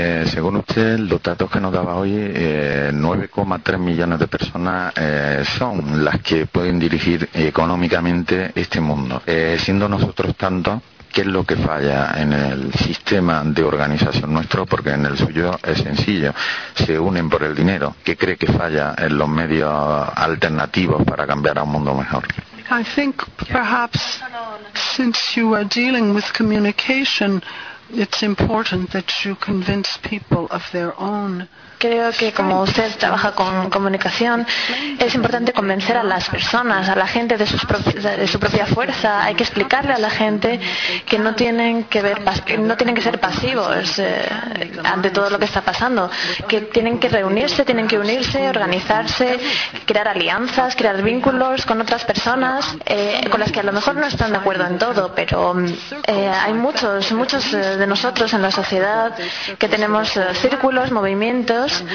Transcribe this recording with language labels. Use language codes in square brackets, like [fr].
[es] Según usted, los datos que nos daba hoy, 9,3 millones de personas son las que pueden dirigir económicamente este mundo. Siendo nosotros tanto, ¿qué es lo que falla en el sistema de organización nuestro? Porque en el suyo es sencillo, se unen por el dinero. ¿Qué cree que falla en los medios alternativos para cambiar a un mundo mejor? [en] I think perhaps since you are dealing with communication, it's important that you convince people of their own. [es] Creo que como usted trabaja con comunicación, es importante convencer a las personas, a la gente de su propia fuerza. Hay que explicarle a la gente que no tienen que ser pasivos ante todo lo que está pasando, que tienen que reunirse, tienen que unirse, organizarse, crear alianzas, crear vínculos con otras personas con las que a lo mejor no están de acuerdo en todo, pero hay muchos de nosotros en la sociedad que tenemos círculos, movimientos.